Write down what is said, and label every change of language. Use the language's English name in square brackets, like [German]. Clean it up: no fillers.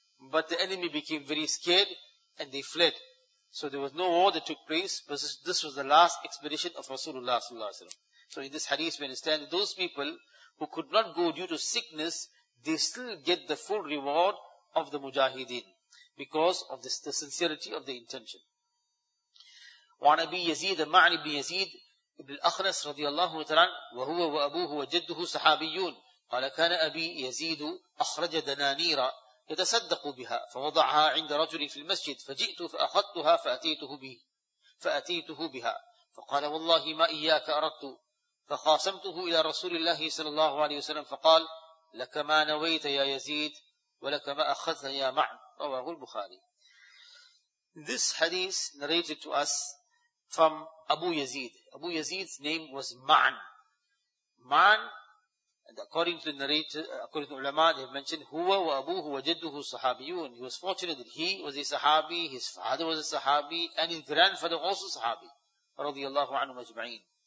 [English] But the enemy became very scared and they fled. So there was no war that took place, but this was the last expedition of Rasulullah sallallahu alaihi wasallam. So in this hadith we understand that those people who could not go due to sickness, they still get the full reward of the mujahideen because of the sincerity of the intention. [Arabic] وعن أبي يزيد معن بن يزيد ابن الأخنس رضي الله تعالى وهو وأبوه وجده صحابيون قال كان أبي يزيد أخرج دنانيرا يتصدق بها فوضعها عند رجل في المسجد فجئت فأخذتها فأتيته بها فقال والله ما إياك أردت فخاصمته إلى رسول الله صلى الله عليه وسلم فقال لك ما نويت يا يزيد ولك ما أخذت يا معن. رواه البخاري. [English] This hadith narrated to us from Abu Yazid. Abu Yazid's name was Ma'an. Ma'an, and according to the narrator, according to the ulama, they have mentioned, [Arabic] huwa wa abuhu wa jadduhu sahabiyun. [English] He was fortunate that he was a sahabi, his father was a sahabi, and his grandfather also sahabi, [Arabic] radiyallahu anhu majma'in.